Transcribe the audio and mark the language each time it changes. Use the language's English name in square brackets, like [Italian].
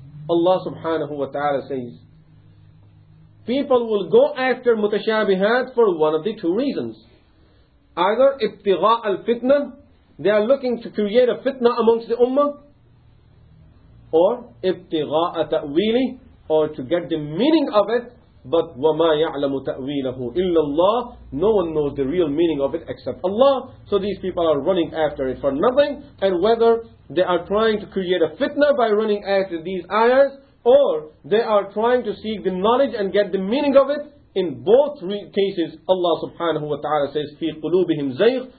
[English] Allah subhanahu wa ta'ala says, people will go after mutashabihat for one of the two reasons. Either ibtigha al-fitna, they are looking to create a fitna amongst the ummah, or ibtigha ta'wili, or to get the meaning of it. But [Arabic] وَمَا يَعْلَمُ تَأْوِيلَهُ إِلَّا اللَّهُ. [English] No one knows the real meaning of it except Allah. So these people are running after it for nothing. And whether they are trying to create a fitna by running after these ayahs, or they are trying to seek the knowledge and get the meaning of it, in both cases, Allah subhanahu wa ta'ala says, [Arabic] فِي قُلُوبِهِمْ زَيْغٌ.